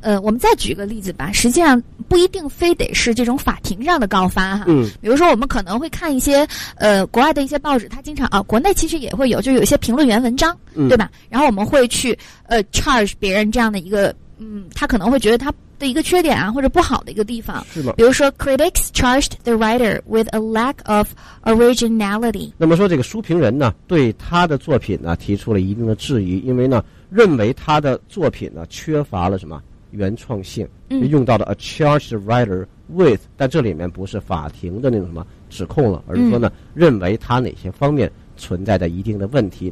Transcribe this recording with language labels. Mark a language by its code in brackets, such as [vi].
[zh] 我们再举个例子吧，实际上不一定非得是这种法庭上的告发哈。嗯，比如说我们可能会看一些国外的一些报纸，他经常啊，国内其实也会有，就有一些评论员文章，嗯，对吧？然后我们会去charge 别人这样的一个，嗯，他可能会觉得他的一个缺点啊，或者不好的一个地方。是吗？ [en] 比如说 critics charged the writer with a lack of originality。 [zh] 那么说这个书评人呢对他的作品呢提出了一定的质疑，因为呢认为他的作品呢缺乏了什么原创性。嗯，用到了 [en] a charged writer with， [zh] 但这里面不是法庭的那种什么指控了，而是说呢，嗯，认为他哪些方面存在的一定的问题。